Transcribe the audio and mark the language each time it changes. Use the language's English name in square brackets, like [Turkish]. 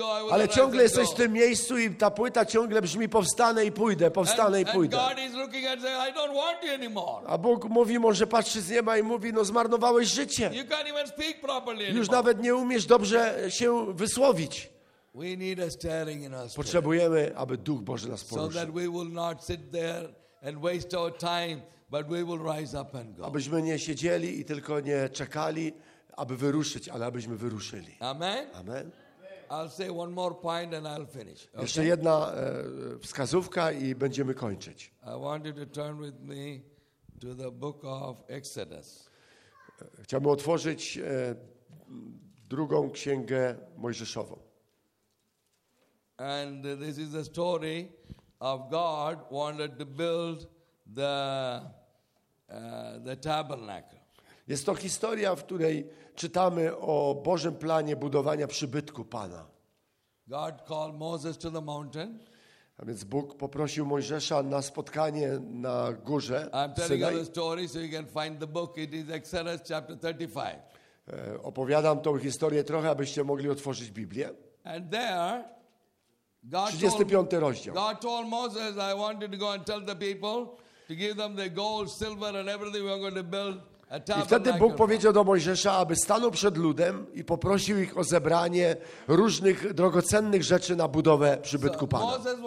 [Polish] Ale ciągle jesteś w tym miejscu i ta płyta ciągle brzmi, powstanę i pójdę, powstanę [English] and, [Polish] i pójdę. [English] And God is looking and saying, I don't want you anymore. [Polish] A Bóg mówi, może patrzy z nieba i mówi, no zmarnowałeś życie. [English] You can't even speak properly anymore. [Polish] Już nawet nie umiesz dobrze się wysłowić. [English] We need a stirring in our spirit. [Polish] Potrzebujemy, aby Duch Boży nas poruszył. [English] So that we will not sit there and waste our time, but we will rise up and go. [Polish] Abyśmy nie siedzieli i tylko nie czekali, aby wyruszyć, ale abyśmy wyruszyli. [English] Amen. [Polish] Amen. [English] I'll say one more point and I'll finish. Okay? [Polish] Jeszcze jedna wskazówka i będziemy kończyć. [English] I want you to turn with me to the book of Exodus. [Polish] Chciałbym otworzyć drugą księgę Mojżeszową. [English] And this is the story of God wanted to build the tabernacle. [Polish] Jest to historia, w której czytamy o Bożym planie budowania przybytku Pana. [English] God called Moses to the mountain. [Polish] A więc Bóg poprosił Mojżesza na spotkanie na górze. [English] I'm telling you the story so you can find the book. It is Exodus chapter 35. [Polish] Opowiadam tą historię trochę, abyście mogli otworzyć Biblię. [English] And there, [Polish] God 35 rozdział. [English] God told Moses, I wanted to go and tell the people to give them the gold, silver and everything we are going to build. [Polish] I wtedy Bóg powiedział do Mojżesza, aby stanął przed ludem i poprosił ich o zebranie różnych drogocennych rzeczy na budowę przybytku Pana.